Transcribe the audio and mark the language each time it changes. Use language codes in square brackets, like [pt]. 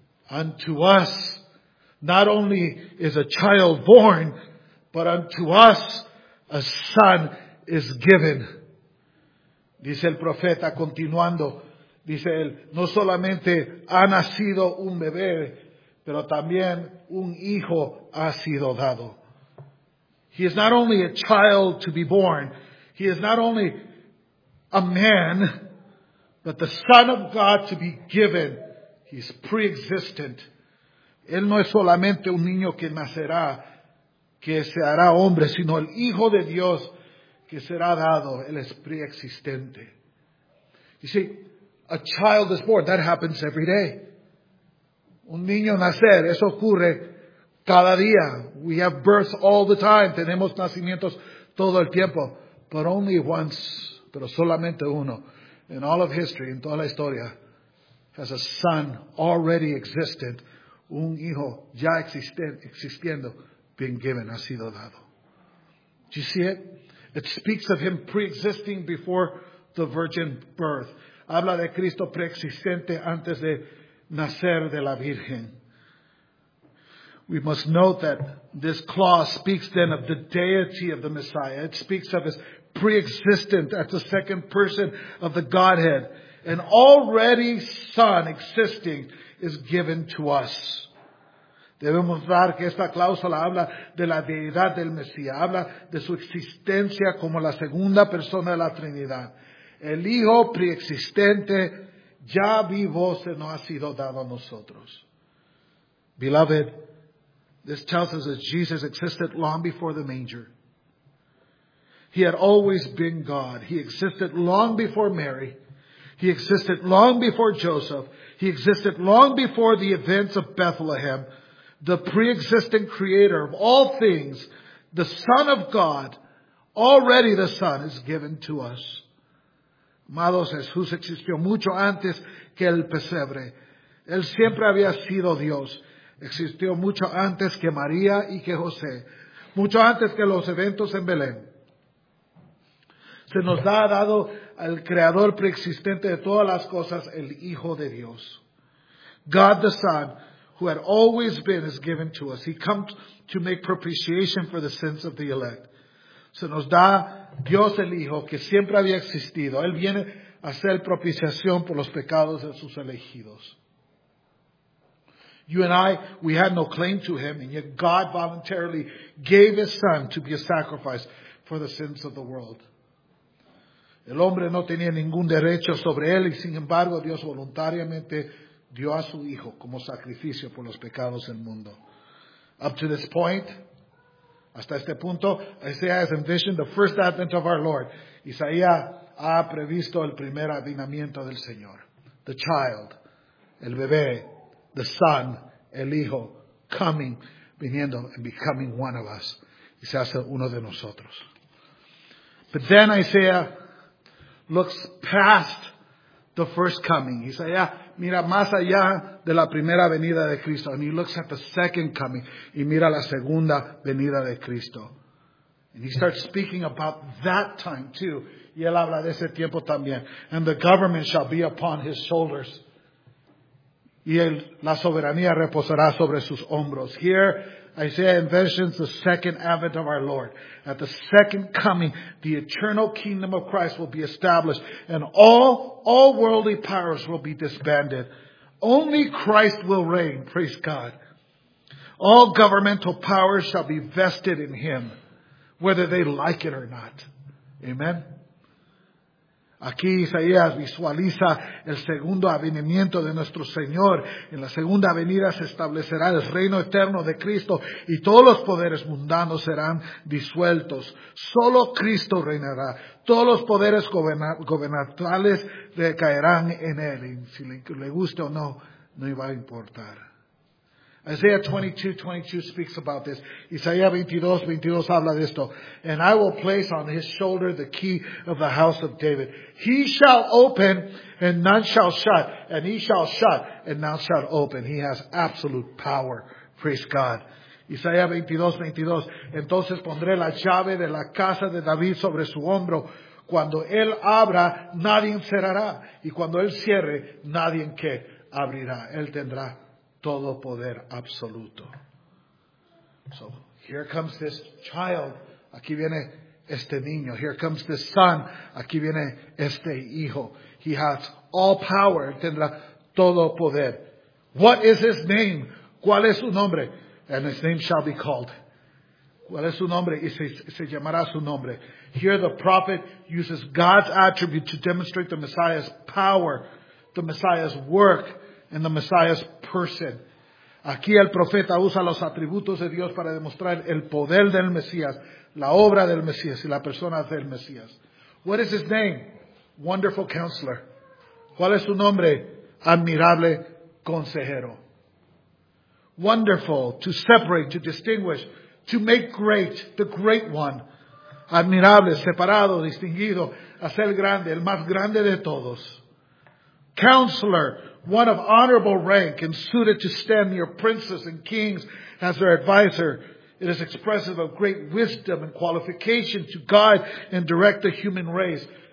[en] Unto us, not only is a child born, but unto us, a son is given. [es] Dice el profeta continuando, dice él, no solamente ha nacido un bebé, pero también un hijo ha sido dado. [en] He is not only a child to be born. He is not only a man, but the Son of God to be given. He's pre-existent. [es] Él no es solamente un niño que nacerá, que se hará hombre, sino el Hijo de Dios que será dado. Él es pre-existente. [en] You see, a child is born. That happens every day. [es] Un niño nacer, eso ocurre cada día. [en] We have births all the time. [es] Tenemos nacimientos todo el tiempo. [en] But only once, [es] pero solamente uno, [en] in all of history, [es] en toda la historia, [en] has a son already existent, [es] un hijo ya existiendo, [en] being given, [es] ha sido dado. [en] Do you see it? It speaks of him pre-existing before the virgin birth. [es] Habla de Cristo preexistente antes de nacer de la Virgen. [en] We must note that this clause speaks then of the deity of the Messiah. It speaks of his pre-existent as the second person of the Godhead. An already son existing is given to us. [es] Debemos dar que esta cláusula habla de la deidad del Mesías. Habla de su existencia como la segunda persona de la Trinidad. El Hijo pre-existente ya vivo se nos ha sido dado a nosotros. [en] Beloved, this tells us that Jesus existed long before the manger. He had always been God. He existed long before Mary. He existed long before Joseph. He existed long before the events of Bethlehem. The pre-existent creator of all things, the Son of God, already the Son, is given to us. [es] Amados, Jesús existió mucho antes que el pesebre. Él siempre había sido Dios. Existió mucho antes que María y que José. Mucho antes que los eventos en Belén. Se nos ha dado al Creador preexistente de todas las cosas, el Hijo de Dios. [en] God the Son, who had always been, is given to us. He comes to make propitiation for the sins of the elect. [es] Se nos da Dios el Hijo, que siempre había existido. Él viene a hacer propiciación por los pecados de sus elegidos. [en] You and I, we had no claim to him, and yet God voluntarily gave his son to be a sacrifice for the sins of the world. [es] El hombre no tenía ningún derecho sobre él, y sin embargo Dios voluntariamente dio a su hijo como sacrificio por los pecados del mundo. [en] Up to this point, [es] hasta este punto, [en] Isaiah has envisioned the first advent of our Lord. [es] Isaías ha previsto el primer advenimiento del Señor. [en] The child, [es] el bebé. [en] The Son, [es] el Hijo, [en] coming, viniendo, and becoming one of us. [es] y se hace uno de nosotros. [en] But then Isaiah looks past the first coming. [es] Isaiah mira más allá de la primera venida de Cristo. [en] And he looks at the second coming. [es] Y mira la segunda venida de Cristo. [en] And he starts speaking about that time too. [es] Y él habla de ese tiempo también. [en] And the government shall be upon his shoulders. [es] Y él, la soberanía reposará sobre sus hombros. [en] Here, Isaiah envisions the second advent of our Lord. At the second coming, the eternal kingdom of Christ will be established. And all worldly powers will be disbanded. Only Christ will reign. Praise God. All governmental powers shall be vested in him, whether they like it or not. Amen. [es] Aquí Isaías visualiza el segundo avenimiento de nuestro Señor. En la segunda venida se establecerá el reino eterno de Cristo y todos los poderes mundanos serán disueltos. Solo Cristo reinará. Todos los poderes gubernamentales recaerán en Él. Y si le guste o no, no iba a importar. [en] Isaiah 22:22 speaks about this. [es] Isaiah 22:22 habla de esto. [en] And I will place on his shoulder the key of the house of David. He shall open and none shall shut. And he shall shut and none shall open. He has absolute power. Praise God. Isaiah 22:22. [es] Entonces pondré la llave de la casa de David sobre su hombro. Cuando él abra, nadie cerrará. Y cuando él cierre, nadie en qué abrirá. Él tendrá todo poder absoluto. [en] So here comes this child. [es] Aquí viene este niño. [en] Here comes this son. [es] Aquí viene este hijo. [en] He has all power. [es] Tendrá todo poder. [en] What is his name? [es] ¿Cuál es su nombre? [en] And his name shall be called. ¿Cuál es su nombre? [es] Y se llamará su nombre. [en] Here the prophet uses God's attribute to demonstrate the Messiah's power, the Messiah's work, and the Messiah's person. [es] Aquí el profeta usa los atributos de Dios para demostrar el poder del Mesías, la obra del Mesías y la persona del Mesías. [en] What is his name? Wonderful Counselor. [es] ¿Cuál es su nombre? Admirable Consejero. [en] Wonderful, to separate, to distinguish, to make great, the great one. [es] Admirable, separado, distinguido, hacer grande, el más grande de todos. [en] Counselor, one of honorable rank and suited to stand near princes and kings as their advisor. It is expressive of great wisdom and qualification to guide and direct the human race.